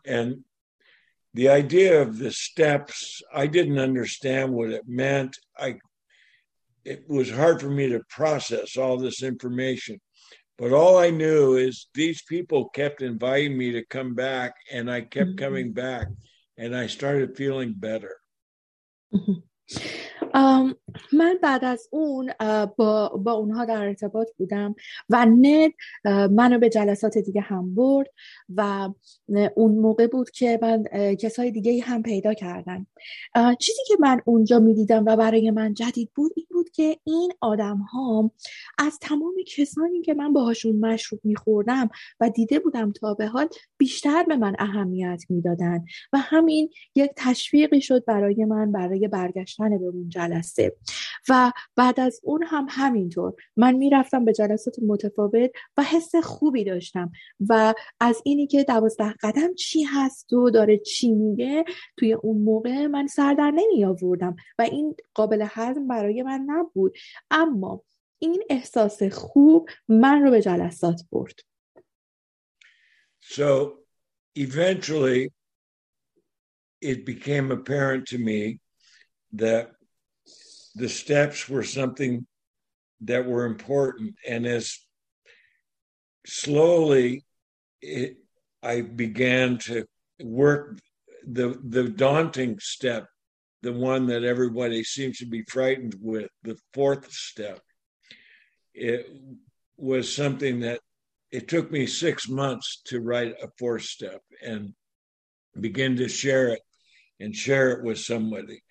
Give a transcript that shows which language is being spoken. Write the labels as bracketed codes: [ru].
[en] And the idea of the steps, I didn't understand what it meant. It was hard for me to process all this information. But all I knew is these people kept inviting me to come back, and I kept coming back, and I started feeling better. [fa] من بعد از اون با اونها در ارتباط بودم و ند منو به جلسات دیگه هم برد و اون موقع بود که من کسای دیگه هم پیدا کردم. چیزی که من اونجا می دیدم و برای من جدید بود این بود که این آدم ها از تمام کسانی که من باهاشون مشروب می خوردم و دیده بودم تا به حال، بیشتر به من اهمیت می دادن و همین یک تشویقی شد برای من برای برگشتن به اون جلسه. و بعد از اون هم همینطور من میرفتم به جلسات متفاوت و حس خوبی داشتم و از اینی که 12 قدم چی هست و داره چی میگه توی اون موقع من سر در نمی آوردم و این قابل هضم برای من نبود، اما این احساس خوب من رو به جلسات برد. [en] So eventually it became apparent to me that the steps were something that were important. And as slowly I began to work the daunting step, the one that everybody seems to be frightened with, the fourth step, it was something that it took me 6 months to write a fourth step and begin to share it and share it with somebody.